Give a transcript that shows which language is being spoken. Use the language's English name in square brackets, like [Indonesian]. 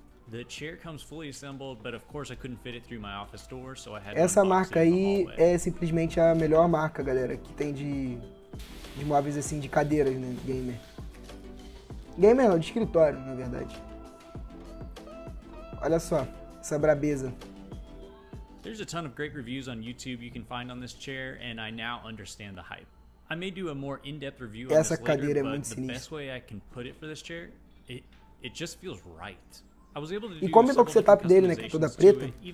[English] The chair comes fully assembled, but of course I couldn't fit it through my office door, so I had [Portuguese] essa marca aí é simplesmente a melhor marca, galera, que tem de móveis assim, de cadeiras, né, gamer não, de escritório, na verdade. Olha só essa brabeza. [English] There's a ton of great reviews on YouTube you can find on this chair, and I now understand the hype. I may do a more in-depth review on [Portuguese] essa [English] this [Portuguese] cadeira [English] later, [Portuguese] é muito sinistra. [English] The best way I can put it for this chair, it just feels right. [Portuguese] E combinou com o setup dele, né, que é toda preta.